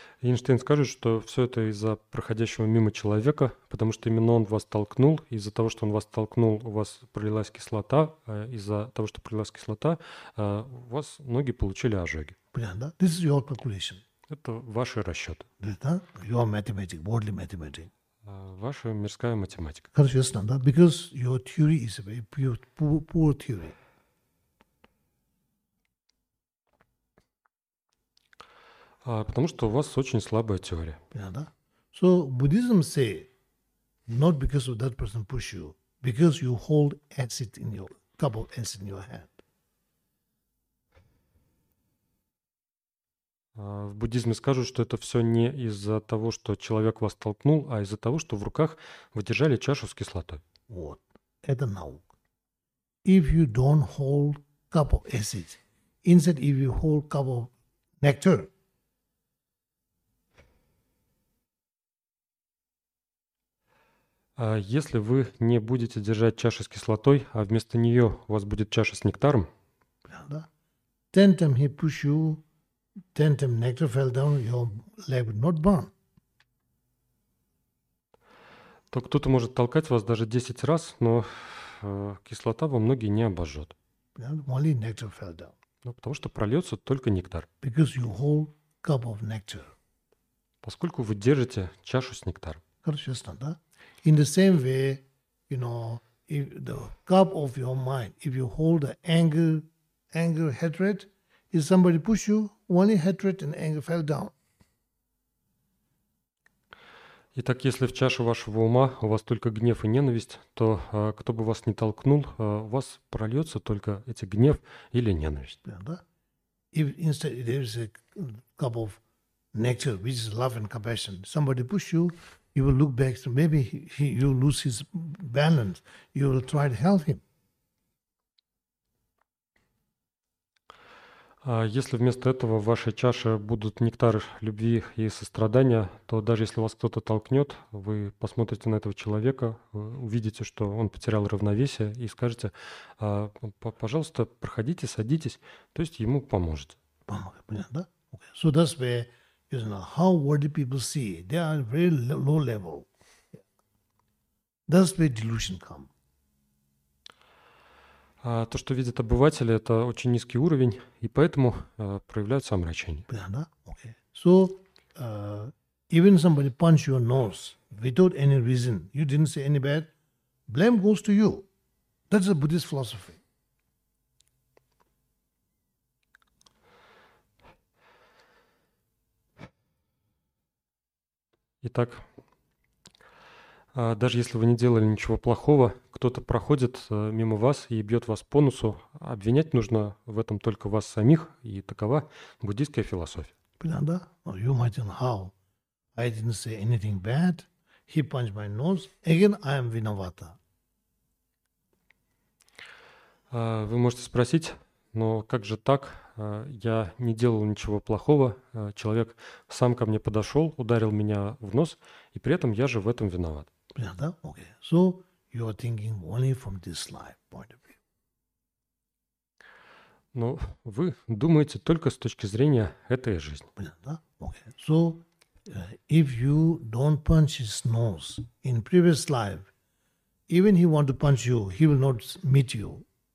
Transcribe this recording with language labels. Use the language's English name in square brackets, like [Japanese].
[Russian] Эйнштейн скажет, что все это из-за проходящего мимо человека, потому что именно он вас толкнул. Из-за того, что он вас толкнул, у вас пролилась кислота. Из-за того, что пролилась кислота, у вас ноги получили ожоги. Понятно, да? [English] This is your calculation. [Russian] Это ваши расчеты. Да? [English] Your mathematics, worldly mathematics. [Russian] Ваша мирская математика. Хорошо, ясно, да? [English] Because your theory is a very poor theory. [Russian] Потому что у вас очень слабая теория. Понятно, да? [English] So Buddhism say not because of that person push you, because you hold acid in your cup of acid in your hand. [Russian] В буддизме скажут, что это все не из-за того, что человек вас толкнул, а из-за того, что в руках вы держали чашу с кислотой. Вот. Это наука. [English] If you don't hold cup of acid, instead if you hold cup of nectar. [Russian] Если вы не будете держать чашу с кислотой, а вместо нее у вас будет чаша с нектаром, то кто-то может толкать вас даже 10 раз, но кислота вам ноги не обожжет. [English] Only nectar fell down. [Russian] Ну, потому что прольется только нектар. [English] Because you hold cup of nectar. [Russian] Поскольку вы держите чашу с нектаром. Конечно, да? [English] In the same way, you know, if the cup of your mind, if you hold the anger, hatred, if somebody push you, only hatred and anger fell down. [Russian] Итак, если в чашу вашего ума у вас только гнев и ненависть, то кто бы вас ни толкнул, у вас прольется только эти гнев или ненависть. Yeah, да? [English] If instead there is a cup of nectar, which is love and compassion, somebody push you, you will look back, so maybe you lose his balance. You will try to help him. [Russian] Если вместо этого в вашей чаше будут нектар любви и сострадания, то даже если вас кто-то толкнет, вы посмотрите на этого человека, увидите, что он потерял равновесие, и скажете, пожалуйста, проходите, садитесь, то есть ему поможете. Понятно, да? [English] Okay. So that's where... You know, how worldly people see, they are very low level. That's where delusion come. [Russian] То, что видят обыватели, это очень низкий уровень, и поэтому проявляются омрачения. Понятно? [English] Okay. So, even somebody punch your nose without any reason, you didn't say any bad, blame goes to you. That's a Buddhist philosophy. [Russian] Итак, даже если вы не делали ничего плохого, кто-то проходит мимо вас и бьет вас по носу, обвинять нужно в этом только вас самих, и такова буддийская философия. Да? [English] You imagine how? I didn't say anything bad. He punched my nose. Again, I am [Russian] виновата. Вы можете спросить, но как же так? Я не делал ничего плохого. Человек сам ко мне подошел, ударил меня в нос, и при этом я же в этом виноват. Понятно? Окей. [English] So you are thinking only from this life point of view. [Russian] Но вы думаете только с точки зрения этой жизни. Понятно? Окей. [English] So if you don't punch his nose in previous life, even he want to punch you, he will not meet you.